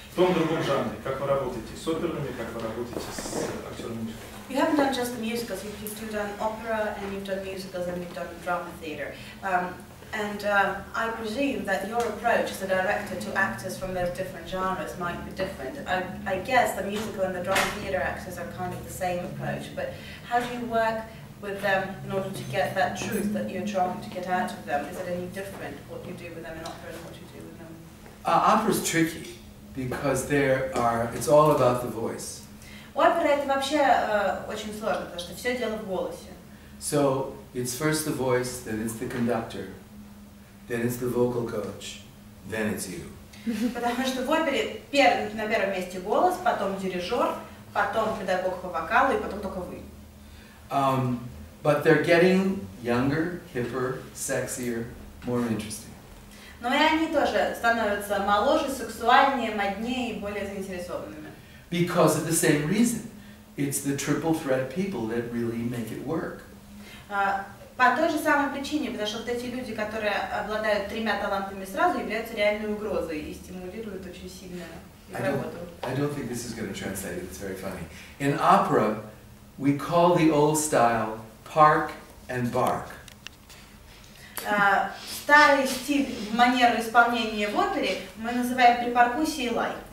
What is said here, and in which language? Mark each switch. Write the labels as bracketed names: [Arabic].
[Russian] В том другом жанре, как вы работаете с оперными, как вы работаете с актерами мюзикла? [English] You haven't done just the musicals, you've done opera, and you've done musicals, and you've done drama theater. And I presume that your approach as a director to actors from those different genres might be different. I guess the musical and the drama theater actors are kind of the same approach, but how do you work with them in order to get that truth that you're trying to get out of them? Is it any different what you do with them in opera and what you do with them? Opera's tricky, because it's all about the voice. [Russian] У оперы это вообще очень сложно, потому что все дело в голосе. [English] So, it's first the voice, then it's the conductor, then it's the vocal coach, then it's you. [Russian] Потому что в опере на первом месте голос, потом дирижер, потом педагог по вокалу, и потом только вы. [English] But they're getting younger, hipper, sexier, more interesting. [Russian] Но и они тоже становятся моложе, сексуальнее, моднее и более заинтересованными. [English] Because of the same reason, it's the triple threat people that really make it work. [Russian] По той же самой причине, потому что вот эти люди, которые обладают тремя талантами сразу, являются реальной угрозой и стимулируют очень сильно их работу. [English] I don't think this is going to translate. It's very funny. In opera, we call the old style park and bark. [Russian] Старый стиль манеры исполнения в опере мы называем припаркуси и лай.